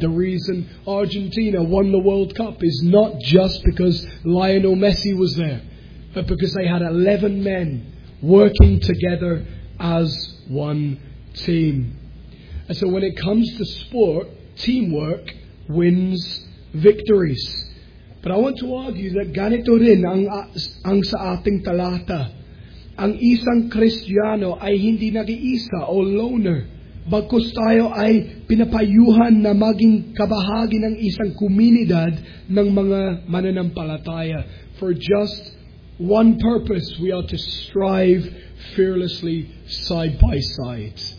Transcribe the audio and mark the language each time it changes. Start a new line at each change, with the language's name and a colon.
English: The reason Argentina won the World Cup is not just because Lionel Messi was there, but because they had 11 men working together as one team. And so when it comes to sport, teamwork wins victories. But I want to argue that
Filipino: ganito rin ang sa ating talata. Ang isang Kristiyano ay hindi nag-iisa o loner. Bagkus tayo ay pinapayuhan na maging kabahagi ng isang komunidad ng mga mananampalataya.
English: For just one purpose, we are to strive fearlessly side by side.